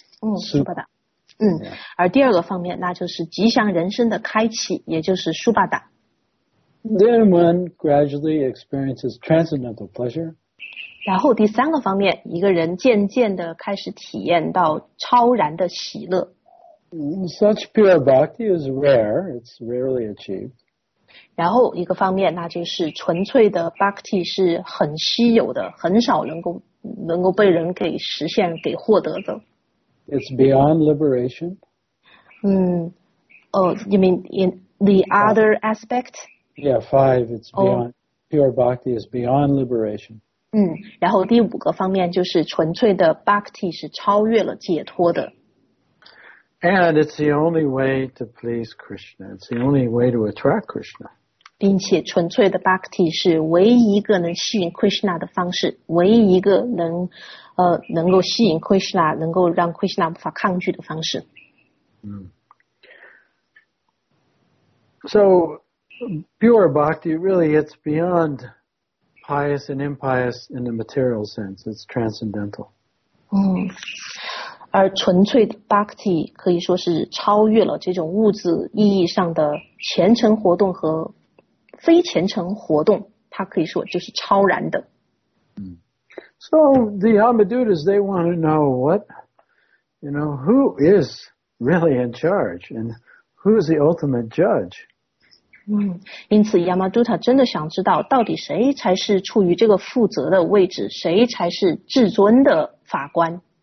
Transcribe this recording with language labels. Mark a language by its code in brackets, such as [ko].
[zh] 嗯 ，subhada. 嗯， yeah. 而第二个方面那就是吉祥人生的开启，也就是 subhada. [en] Then one gradually experiences transcendental pleasure. [zh] 然后第三个方面，一个人渐渐的开始体验到超然的喜乐。 [en] Such pure bhakti is rare; it's rarely achieved. [zh] 然后一个方面，那就是纯粹的 bhakti 是很稀有的，很少能够被人给实现、给获得的。 [en] It's beyond liberation. 嗯，哦、，you mean in the other aspect? Yeah, five. It's beyond、oh. pure bhakti is beyond liberation. [zh] 嗯，然后第五个方面就是纯粹的 bhakti 是超越了解脱的。 [en] And it's the only way to please Krishna. It's the only way to attract Krishna. [zh] 并且纯粹的 bhakti 是唯一一个能吸引 Krishna 的方式，唯一一个能够吸引 Krishna， 能够让 Krishna 无法抗拒的方式。 [en] So pure bhakti really it's beyond pious and impious in the material sense. It's transcendental. [zh] 嗯。而纯粹的 bhakti 可以说是超越了这种物质意义上的虔诚活动和非虔诚活动，它可以说就是超然的。 [en] So the Amadutas, they want to know what, you know, who is really in charge and who is the ultimate judge? [zh] 因此 Yamaduta 真的想知道到底谁才是处于这个负责的位置，谁才是至尊的法官。